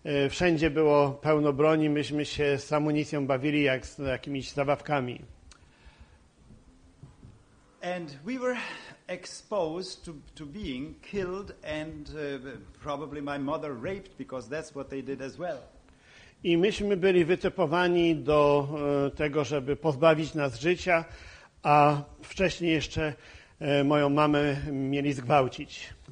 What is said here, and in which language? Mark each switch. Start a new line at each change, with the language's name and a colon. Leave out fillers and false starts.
Polish: Wszędzie było pełno broni. Myśmy się z amunicją bawili jak z jakimiś zabawkami.
English: And we were exposed to being killed and probably my mother raped because that's what they did as well.
Polish: I myśmy byli wytypowani do tego, żeby pozbawić nas życia, a wcześniej jeszcze moją mamę mieli zgwałcić.